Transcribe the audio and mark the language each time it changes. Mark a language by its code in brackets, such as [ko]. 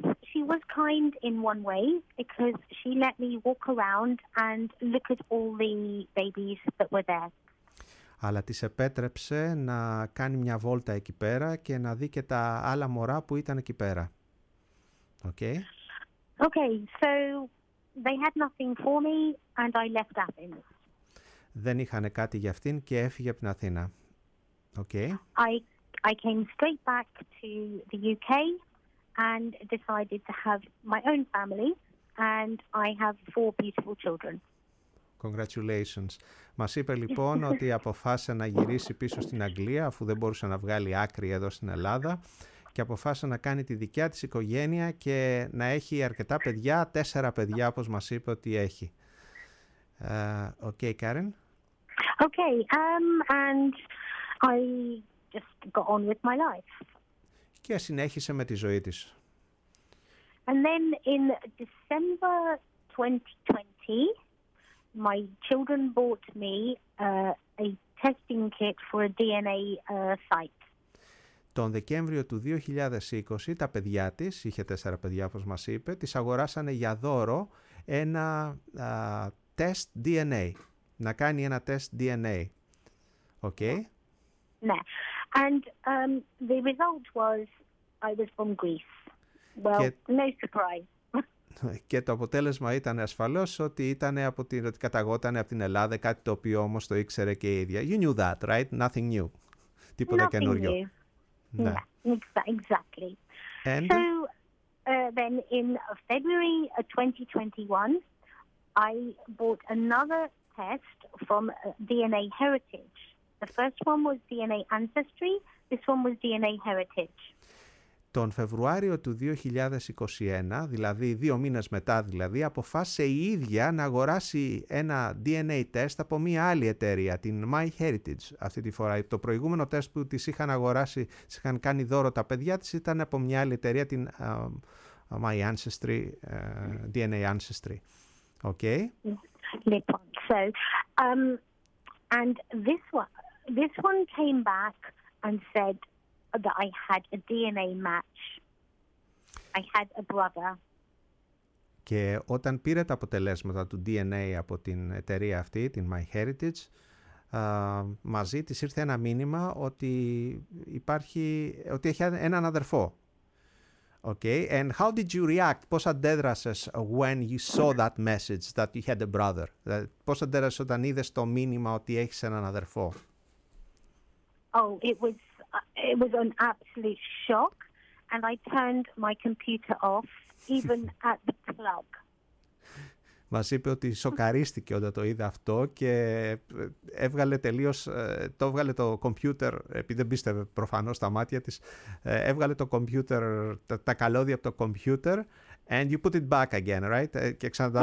[en] She was kind in one way because she let me walk around and look at all the babies that were there. [el] Αλλά της επέτρεψε να κάνει μια βόλτα εκεί πέρα και να δει και τα άλλα μωρά που ήταν εκεί πέρα. [en] Okay. Okay, so they had nothing for me and I left Athens. [el] Δεν είχανε κάτι για αυτήν και έφυγε από την Αθήνα. [en] Okay. I came straight back to the UK and decided to have my own family and I have 4 beautiful children. Congratulations. [el] Μας είπε λοιπόν ότι αποφάσισε να γυρίσει πίσω στην Αγγλία αφού δεν μπορούσε να βγάλει άκρη εδώ στην Ελλάδα και αποφάσισε να κάνει τη δικιά της οικογένεια και να έχει αρκετά παιδιά, 4 παιδιά όπως μας είπε ότι έχει. Okay, Karen. [en] Okay, and I just got on with my life. [el] Και συνέχισε με τη ζωή της. [en] And then in December 2020, my children bought me a testing kit for a DNA site. [el] Τον Δεκέμβριο του 2020, τα παιδιά της, είχε 4 παιδιά όπως μας είπε, της αγοράσανε για δώρο ένα test DNA. Να κάνει ένα test DNA. Okay. Ναι. [en] And the result was I was from Greece. Well, και... no surprise. [el] Και το αποτέλεσμα ήταν ασφαλώς ότι ήταν από την, ότι καταγόταν από την Ελλάδα, κάτι το οποίο όμως το ήξερε και η ίδια. [en] You knew that, right? Nothing new. [el] Τίποτα καινούριο. [en] Yeah, exactly. And so then in February 2021, I bought another test from DNA Heritage. The first one was DNA Ancestry, this one was DNA Heritage. [el] Τον Φεβρουάριο του 2021, δηλαδή 2 μήνες μετά δηλαδή, αποφάσισε η ίδια να αγοράσει ένα DNA test από μια άλλη εταιρεία, την MyHeritage αυτή τη φορά. Το προηγούμενο test που της είχαν αγοράσει, της είχαν κάνει δώρο τα παιδιά της, ήταν από μια άλλη εταιρεία, την My Ancestry, DNA Ancestry. [en] Okay. Λοιπόν, so, and this one came back and said, that I had a DNA match. I had a brother. [el] Και όταν πήρε τα αποτελέσματα του DNA από την εταιρεία αυτή, την MyHeritage, μαζί της ήρθε ένα μήνυμα ότι υπάρχει, ότι έχει έναν αδερφό. Okay. [en] And how did you react? [el] Πώς αντέδρασες [en] when you saw that message that you had a brother? [el] Πώς αντέδρασες όταν είδες το μήνυμα ότι έχεις έναν αδερφό? [en] Oh, it was an absolute shock, and I turned my computer off even at the club. [el] Μας είπε ότι σοκαρίστηκε όταν το είδε αυτό και έβγαλε τελείως, το έβγαλε το computer, επειδή δεν πίστευε προφανώς τα μάτια της, έβγαλε το computer, τα καλώδια από το computer, [en] and you put it back again, right? [el] Και ξανά,